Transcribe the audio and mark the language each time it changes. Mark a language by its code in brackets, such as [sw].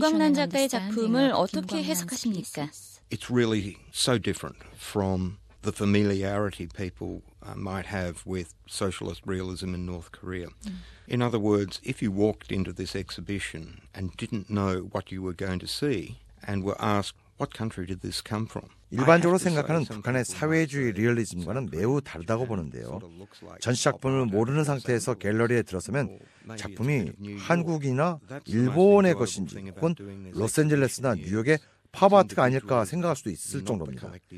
[ko] 김광란 작가의 작품을 어떻게 해석하십니까? [en] It's really so different from the familiarity people might have with socialist realism in North Korea. In other words, if you walked into this exhibition and didn't know what you were going to see and were asked, what country did this come from? [ko] 일반적으로 생각하는 북한의 사회주의 리얼리즘과는 매우 다르다고 보는데요. 전시 작품을 모르는 상태에서 갤러리에 들어서면 작품이 한국이나 일본의 것인지 혹은 로스앤젤레스나 뉴욕의 팝아트가 아닐까 생각할 수도 있을 정도입니다.